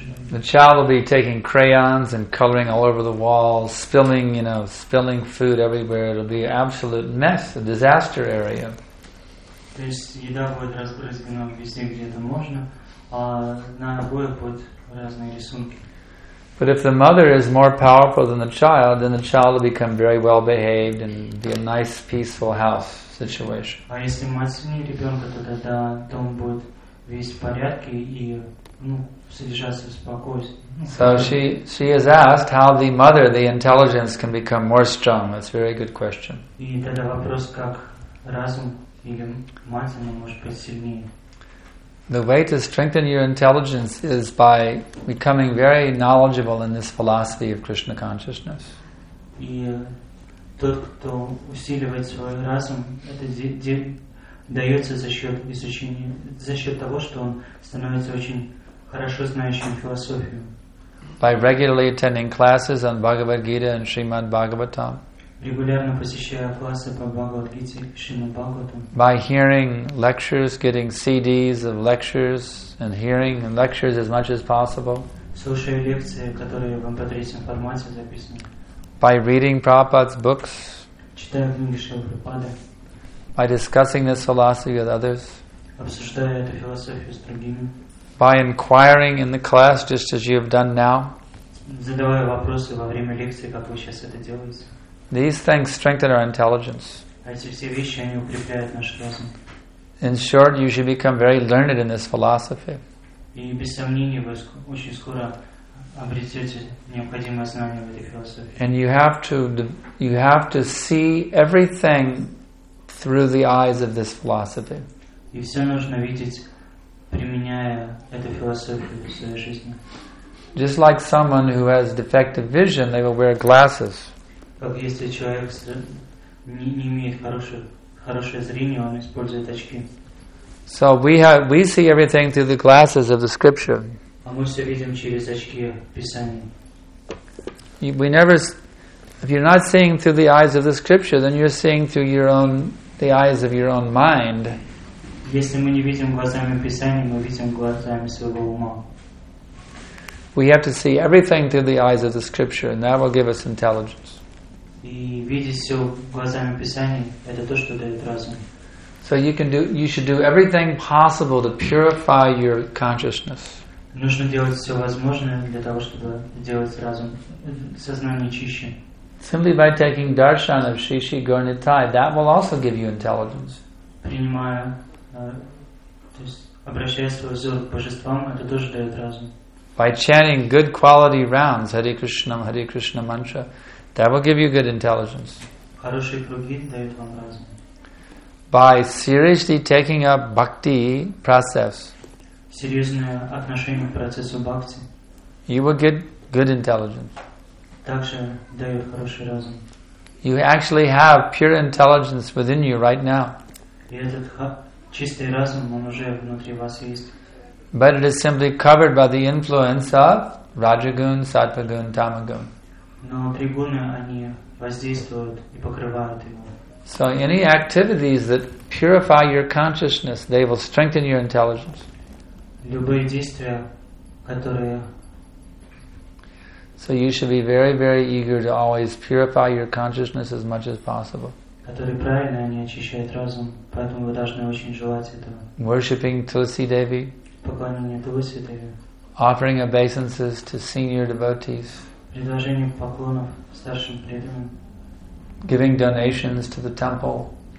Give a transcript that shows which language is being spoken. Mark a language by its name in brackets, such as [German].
[English] The child will be taking crayons and coloring all over the walls, spilling food everywhere. It'll be an absolute mess, a disaster area. [Russian] То есть еда будет разбрызгана везде, где это можно, а на обоих будут разные рисунки. [English] But if the mother is more powerful than the child, then the child will become very well behaved and be a nice, peaceful house situation. [Russian] А если мать сильнее ребенка, то тогда дом будет весь в порядке и содержаться в спокойствии. [English] So she has asked how the mother, the intelligence, can become more strong. That's a very good question. [Russian] И тогда вопрос, как разум или мать, она может быть сильнее. [English] The way to strengthen your intelligence is by becoming very knowledgeable in this philosophy of Krishna consciousness. [Russian] И тот, кто усиливает свой разум, это дается за счет изучения, за счет того, что он становится очень хорошо знающим философию. [English] By regularly attending classes on Bhagavad Gita and Srimad Bhagavatam. [Russian] Регулярно посещая классы по Бхагавад-гите и Шримад-Бхагаватам. [English] By hearing lectures, getting CDs of lectures and hearing lectures as much as possible. [Russian] Слушая лекции, которые в MP3 формате записаны. [English] By reading Prabhupada's books. [Russian] Читая книги Шрилы Прабхупады. [English] By discussing this philosophy with others. [Russian] Обсуждая эту философию с другими. [English] By inquiring in the class just as you have done now. [Russian] Задавая вопросы во время лекции, как вы сейчас это делаете. [English] These things strengthen our intelligence. [Russian] Эти все вещи, они укрепляют наш разум. [English] In short, you should become very learned in this philosophy. [Russian] И без сомнения, вы очень скоро обретете необходимое знание в этой философии. [English] And you have to see everything through the eyes of this philosophy. [Russian] И все нужно видеть, применяя эту философию в своей жизни. [English] Just like someone who has defective vision, they will wear glasses. [Russian] Как если человек не имеет хорошее зрение, он использует очки. [English] So we see everything through the glasses of the scripture. [Russian] А мы все видим через очки Писания. [English] If you're not seeing through the eyes of the scripture, then you're seeing through the eyes of your own mind. [Russian] Если мы не видим глазами Писания, мы видим глазами своего ума. [English] We have to see everything through the eyes of the scripture, and that will give us intelligence. [Russian] И видеть все глазами Писания – это то, что дает разум. [English] So you should do everything possible to purify your consciousness. [Russian] Нужно делать все возможное для того, чтобы делать разум, сознание чище. [English] Simply by taking darshan of Shri Shri Gaur-Nitai, that will also give you intelligence. [Russian] Принимая, то есть обращая свой взор к божествам, это тоже дает разум. [English] By chanting good quality rounds, Hare Krishna mantra, that will give you good intelligence. [Russian] Хорошие круги дают вам разум. [English] By seriously taking up bhakti process. [Russian] Серьезное отношение к процессу бхакти. [English] You will get good intelligence. [Russian] Также дают хороший разум. [English] You actually have pure intelligence within you right now. [Russian] И этот чистый разум, он уже внутри вас есть. [English] But it is simply covered by the influence of rajagun, sattvagun, tamagun. [Russian] Но тригуны, они воздействуют и покрывают его. [English] So any activities that purify your consciousness, they will strengthen your intelligence. [Russian] Любые действия, которые... [English] So you should be very, very eager to always purify your consciousness as much as possible. [Russian] Которые правильно, они очищают разум, поэтому вы должны очень желать этого. [English] Worshipping Tulsi Devi. [Russian] Поклонение Тулси Деви. [English] Offering obeisances to senior devotees. [Russian] Предложение поклонов старшим преданным. [English] Giving donations to the temple.